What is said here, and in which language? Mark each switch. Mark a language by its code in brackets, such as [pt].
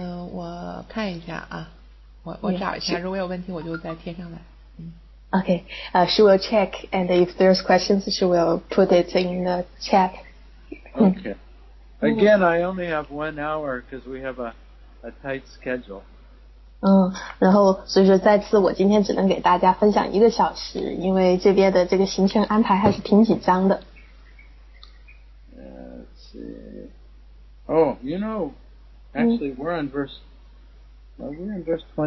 [zh] 我看一下啊，我找一下，如果有问题我就在贴上来。 [en] Okay, she will check, and if there's questions, she will put it in the chat. Okay. Again, I only have 1 hour because we have a tight schedule. [zh] 然后所以说再次我今天只能给大家分享一个小时 因为这边的这个行程安排还是挺紧张的 [en] Let's see Oh, you know Actually, we're on verse We're in verse